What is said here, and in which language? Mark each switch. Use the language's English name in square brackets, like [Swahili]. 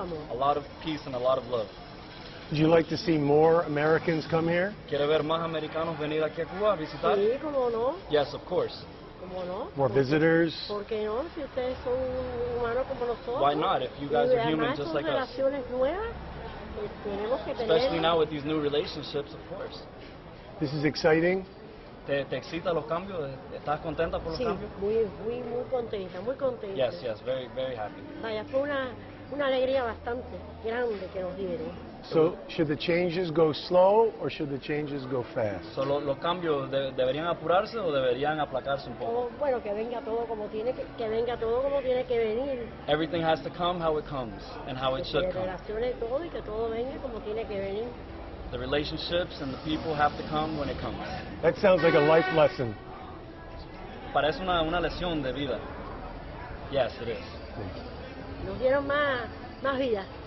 [English] A lot of peace and a lot of love. Would you like to see more Americans come here? [Spanish] ¿Quiere ver más americanos venir aquí a Cuba a visitar? Sí, como no. [English] Yes, of course. [Spanish] Como no. [English] More visitors. [Spanish] ¿Por qué no? Si ustedes son humanos como nosotros. [English] Why not? If you guys are human just like us. [Spanish] Nuevas, tenemos que [English] especially [Spanish] tener [English] now with these new relationships, of course. This is exciting. [Spanish] ¿Te excita los cambios? ¿Estás contenta por los sí, cambios? Sí, muy contenta. [English] Yes, yes, very, very happy. [Spanish] Vaya, fue una alegría bastante grande que nos dieron. [English] So, should the changes go slow or should the changes go fast? [Spanish] So, los cambios deberían apurarse o deberían aplacarse un poco? Oh, bueno, que venga todo como tiene que venga todo como tiene que venir. [English] Everything has to come how it comes and how it should come. [Spanish] Que relacione todo y que todo venga como tiene que venir. [English] The relationships and the people have to come when it comes. That sounds like a life lesson. [Spanish] Parece una lección de vida. [English] Yes, it is. [Spanish] Nos dieron más vida.